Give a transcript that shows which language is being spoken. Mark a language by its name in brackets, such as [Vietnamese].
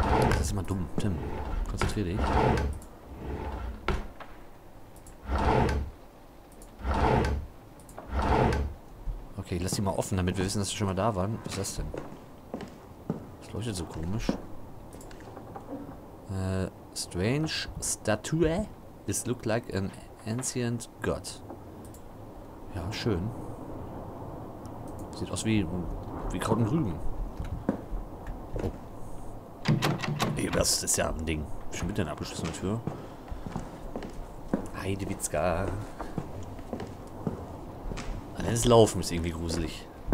[German] Das ist immer dumm, Tim. Konzentrier dich. Okay, lass die mal offen, damit wir wissen, dass wir schon mal da waren. Was ist das denn? Das leuchtet so komisch. [English] Strange Statue. This look like an ancient god. [German] Ja, schön. Sieht aus wie Kraut und Rüben. Oh. Ey, das ist ja ein Ding. Schon mit der abgeschlossenen Tür. Heidewitzka. Das Laufen ist irgendwie gruselig.